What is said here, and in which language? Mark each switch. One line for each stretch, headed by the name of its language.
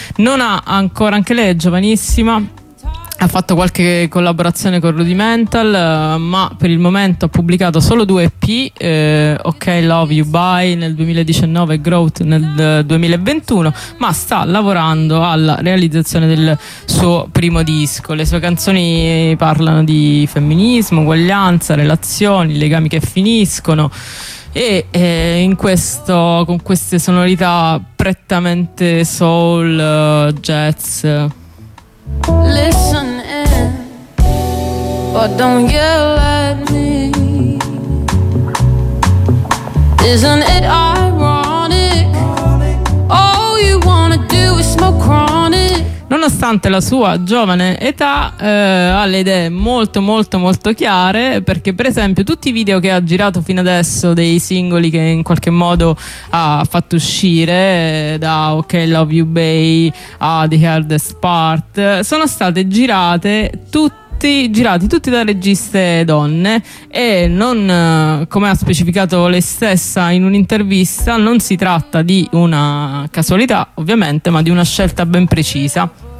Italian: Non ha ancora, anche lei è giovanissima, ha fatto qualche collaborazione con Rudimental, ma per il momento ha pubblicato solo due EP, Ok Love You Bye nel 2019 e Growth nel 2021, ma sta lavorando alla realizzazione del suo primo disco. Le sue canzoni parlano di femminismo, uguaglianza, relazioni, legami che finiscono, e in questo, con queste sonorità prettamente soul, jazz.
English: Listen in, but don't yell at me. Isn't it ironic? All you wanna do is smoke chronic.
Italian: Nonostante la sua giovane età, ha le idee molto molto molto chiare, perché per esempio tutti i video che ha girato fino adesso, dei singoli che in qualche modo ha fatto uscire, da Ok Love You Bay a The Hardest Part, sono state girati tutti da registe donne, e non, come ha specificato lei stessa in un'intervista, non si tratta di una casualità ovviamente, ma di una scelta ben precisa.